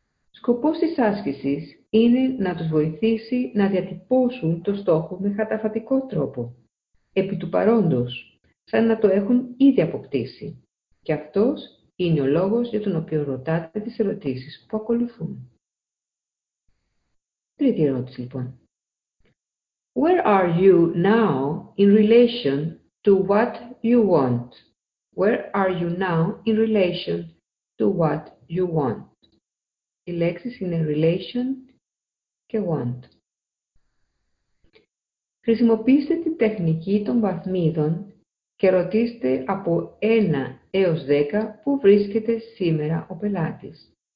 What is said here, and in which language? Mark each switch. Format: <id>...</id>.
<el>Σκοπός της άσκησης είναι να τους βοηθήσει να διατυπώσουν το στόχο με καταφατικό τρόπο, επί του παρόντος, σαν να το έχουν ήδη αποκτήσει. Και αυτός είναι ο λόγος για τον οποίο ρωτάτε τις ερωτήσεις που ακολουθούν. Τρίτη ερώτηση λοιπόν.</el> <en>Where are you now in relation to what you want? Where are you now in relation to what you want?</en> <el>Οι λέξεις είναι relation και want. Χρησιμοποιήστε την τεχνική των βαθμίδων και ρωτήστε από 1 έως 10 πού βρίσκεται σήμερα ο πελάτης.</el>